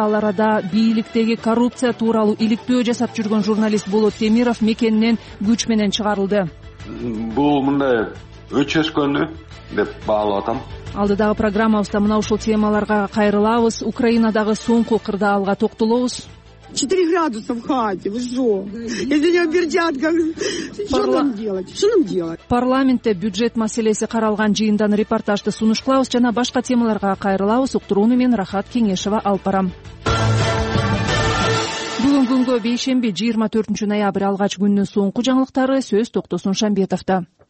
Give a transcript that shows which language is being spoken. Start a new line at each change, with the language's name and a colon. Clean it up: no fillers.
Kyrgyz: Ал арада бийликтеги коррупция тууралуу иликтөө жасап жүргөн журналист Болот Темиров мекенинен күч менен чыгарылды. Бул мындай өчөшкөнү деп баалап атам. Алдыдагы программабызда мына ушул темаларга кайрылабыз. Украинадагы соңку кырдаалга токтолобуз.
Russian: 4 градуса в хате, вы что? Если не в перчатках, что нам делать?
Kyrgyz: Парламентте бюджет маселеси каралган жыйындан репортажды сунушкалабыз жана башка темаларга кайрылабыз. Уктурууну мен Рахат Кеңешова алпарам. Бүгүнкү бейшемби 24 ноябрь алгач күндүн соңку жаңылыктары сөз Токтосун Шамбетовдо.